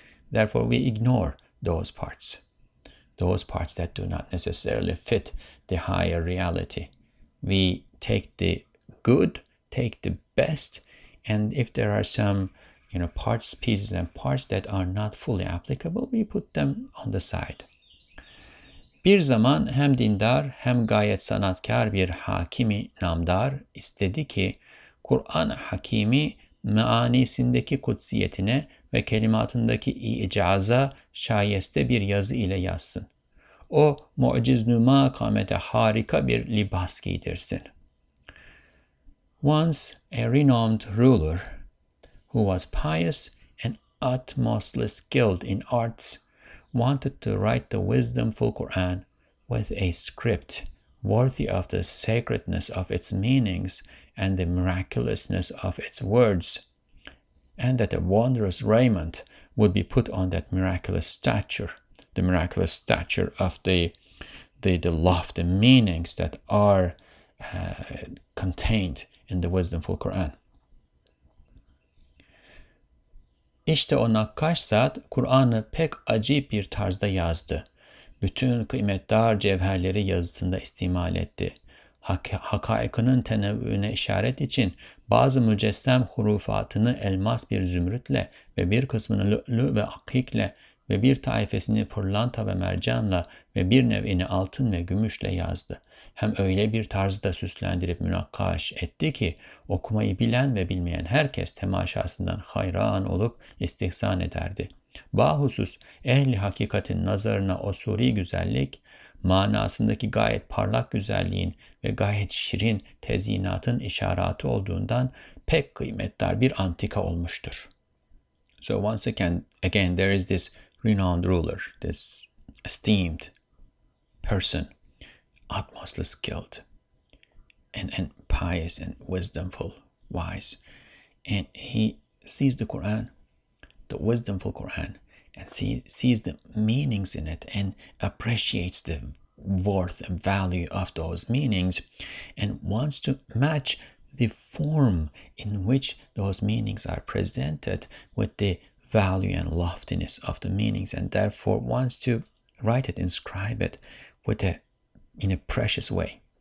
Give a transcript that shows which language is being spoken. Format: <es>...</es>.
<en>Therefore, we ignore those parts that do not necessarily fit the higher reality. We take the good, take the best, and if there are some, parts, pieces, and parts that are not fully applicable, we put them on the side.</en> <tr>Bir zaman hem dindar hem gayet sanatkar bir hakimi namdar istedi ki Kur'an hakimi meanisindeki kutsiyetine ve kelimatındaki icaza şayeste bir yazı ile yazsın. O mu'ciznuma kamete harika bir libas giydirsin.</tr> <en>Once a renowned ruler who was pious and utmostly skilled in arts wanted to write the wisdomful Quran with a script worthy of the sacredness of its meanings and the miraculousness of its words, and that a wondrous raiment would be put on that miraculous stature, the miraculous stature of the lofty meanings that are contained in the wisdomful Quran.</en> <tr>İşte o nakkaş zat Kur'an'ı pek acip bir tarzda yazdı. Bütün kıymetdar cevherleri yazısında istimal etti. Hakaikının tenevvüne işaret için bazı mücessem hurufatını elmas bir zümrütle ve bir kısmını lü'lü ve akikle ve bir taifesini pırlanta ve mercanla ve bir nevini altın ve gümüşle yazdı. Hem öyle bir tarzda süslendirip münakkaş etti ki okumayı bilen ve bilmeyen herkes temaşasından hayran olup istihsan ederdi. Bahusus ehli hakikatin nazarına o suri güzellik, manasındaki gayet parlak güzelliğin ve gayet şirin tezyinatın işaratı olduğundan pek kıymetli bir antika olmuştur.</tr> <en>So once again, there is this renowned ruler, this esteemed person, utmostly skilled and pious and wisdomful, wise. And he sees the Quran, the wisdomful Quran, and sees the meanings in it and appreciates the worth and value of those meanings and wants to match the form in which those meanings are presented with the value and loftiness of the meanings, and therefore wants to write it, inscribe it with in a precious way.</en>